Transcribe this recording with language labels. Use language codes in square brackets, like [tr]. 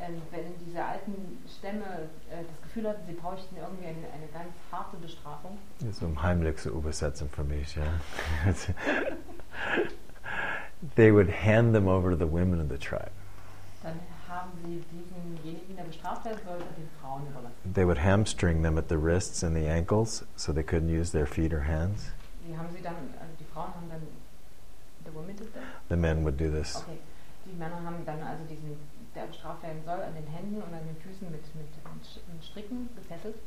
[de] Wenn diese alten Stämme das Gefühl hatten, sie bräuchten irgendwie eine ganz harte Bestrafung. So im Heimlich zu übersetzen für mich, ja. [en] They would hand them over to the women of the tribe. [de] Dann haben sie diesenjenigen, der bestraft werden sollte, den Frauen überlassen. [en] They would hamstring them at the wrists and the ankles, so they couldn't use their feet or hands. [de] Die haben sie dann, also die Frauen haben dann, [en] the women did that? The men would do this. [de] Okay, die Männer haben dann also diesen, der bestraft werden soll, an den Händen und an den Füßen mit Stricken gefesselt.